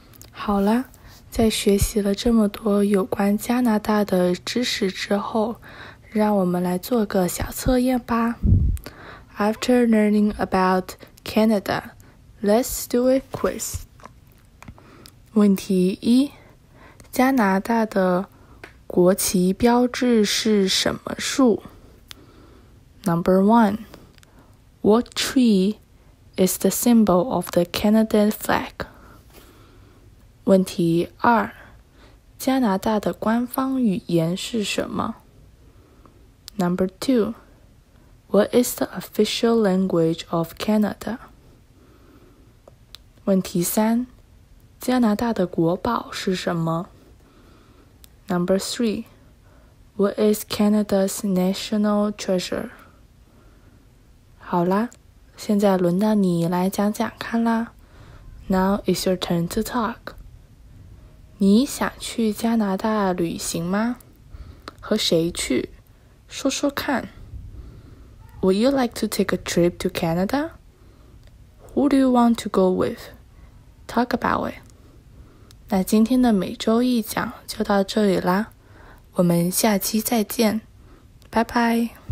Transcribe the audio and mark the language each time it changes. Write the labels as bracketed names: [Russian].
[Chinese] 好了，在学习了这么多有关加拿大的知识之后，让我们来做个小测验吧。 [English] After learning about Canada, let's do a quiz. [Chinese] 问题一，加拿大的国旗标志是什么树？ [English] Number one, what tree is the symbol of the Canadian flag? [Chinese] 问题二，加拿大的官方语言是什么？ [English] Number two,What is the official language of Canada? [Chinese] 问题三，加拿大的国宝是什么？ [English] Number three, What is Canada's national treasure? [Chinese] 好啦，现在轮到你来讲讲看啦。 [English] Now it's your turn to talk. [Chinese] 你想去加拿大旅行吗？和谁去？说说看。 [English] Would you like to take a trip to Canada? Who do you want to go with? Talk about it. [Chinese] 那今天的每周一讲就到这里啦，我们下期再见，拜拜。